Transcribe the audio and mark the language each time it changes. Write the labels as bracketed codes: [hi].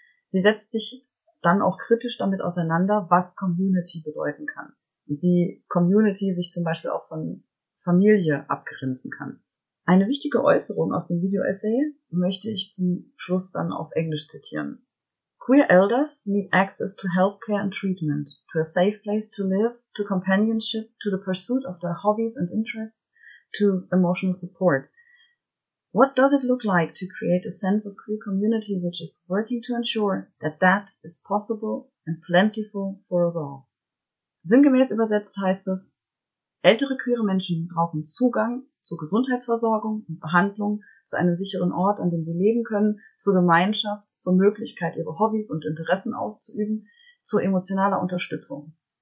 [de] Sie setzt sich dann auch kritisch damit auseinander, was Community bedeuten kann und wie Community sich zum Beispiel auch von Familie abgrenzen kann. Eine wichtige Äußerung aus dem Video-Essay möchte ich zum Schluss dann auf Englisch zitieren. [en] Queer elders need access to healthcare and treatment, to a safe place to live, to companionship, to the pursuit of their hobbies and interests, to emotional support. What does it look like to create a sense of queer community which is working to ensure that that is possible and plentiful for us all? [de] Sinngemäß übersetzt heißt es, ältere queere Menschen brauchen Zugang zur Gesundheitsversorgung und Behandlung, zu einem sicheren Ort, an dem sie leben können, zur Gemeinschaft, zur Möglichkeit, ihre Hobbys und Interessen auszuüben, zu emotionaler Unterstützung.